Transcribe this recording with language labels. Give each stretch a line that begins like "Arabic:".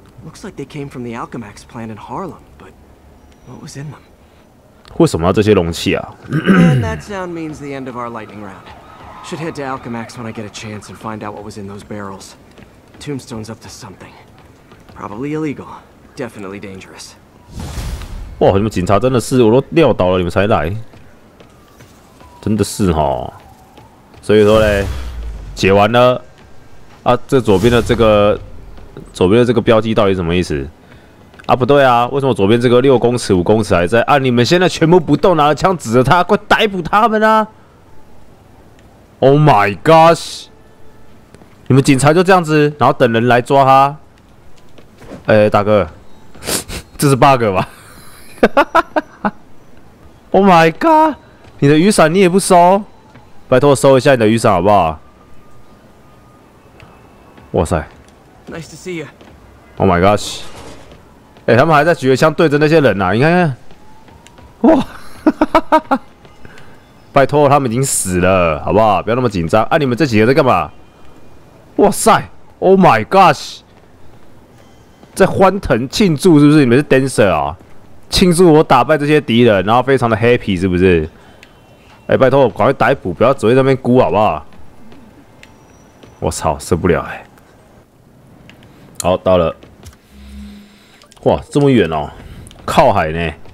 English: Looks like they came from the Alchemax plant in Harlem, but what was in them?
Chinese: 为什么要这些容器啊？
English: And that sound means the end of our lightning round. Should head to Alchemax when I get a chance and find out what was in those barrels. Tombstone's up to something. Probably illegal. Definitely dangerous.
Chinese: 哇，你们警察真的是，我都撂倒了你们才来，真的是哈。所以说嘞，解完了啊，这左边的这个。左边的这个标记到底什么意思？啊，不对啊，为什么左边这个六公尺、五公尺还在啊？你们现在全部不动，拿着枪指着他，快逮捕他们啊 ！ Oh my gosh！你们警察就这样子，然后等人来抓他？哎，大哥，这是 bug 吧？ Oh my god！你的雨伞你也不收，拜托收一下你的雨伞好不好？哇塞！
English: Nice to see you. Oh my gosh！
Chinese: 哎、欸，他们还在举着枪对着那些人呐、啊，你看看，哇，拜托，他们已经死了，好不好？不要那么紧张。哎、啊，你们这几个在干嘛？
English: 哇塞，Oh my gosh！
Chinese: 在欢腾庆祝是不是？你们是 dancer 啊？庆祝我打败这些敌人，然后非常的 happy 是不是？哎、欸，拜托，赶快逮捕，不要只会在那边哭好不好？我操，受不了哎、欸！好，到了。哇，这么远哦，靠海呢。